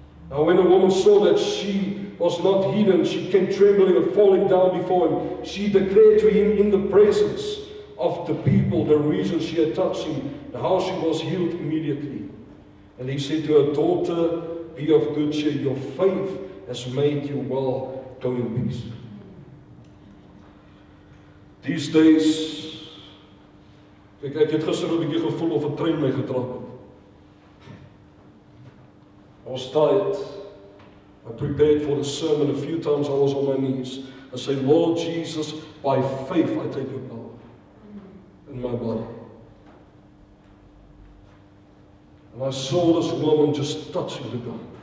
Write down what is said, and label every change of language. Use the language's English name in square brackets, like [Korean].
[English] Now when the woman saw that she was not hidden, she came trembling and falling down before him. She declared to him in the presence of the people the reason she had touched him and how she was healed immediately. And he said to her, Daughter, be of good cheer, your faith has made you well. Go in peace. These days, [Afrikaans] ek het gister 'n bietjie gevoel of 'n trein my getrap het. [English] I was tired. I prepared for the sermon a few times. I was on my knees. I said, Lord Jesus, by faith I take your power in my body. And I saw this woman just touching the God.